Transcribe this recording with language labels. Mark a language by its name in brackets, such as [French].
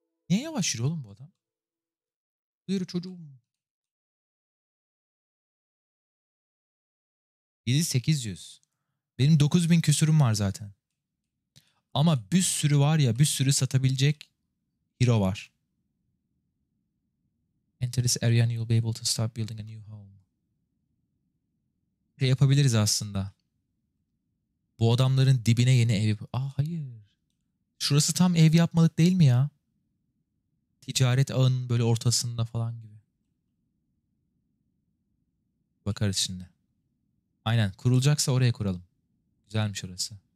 [Turkish] Niye yavaş yürü oğlum bu adam? Yürü çocuğum. 7800. Benim 9000 küsürüm var zaten. Ama bir sürü var ya, bir sürü satabilecek hero var. [English] Enter this area and you'll be able to start building a new home. [Turkish] Şey yapabiliriz aslında. Bu adamların dibine yeni ev yap... Aa hayır. Şurası tam ev yapmalık değil mi ya? Ticaret ağının böyle ortasında falan gibi. Bakarız şimdi. Aynen, kurulacaksa oraya kuralım. Güzelmiş orası.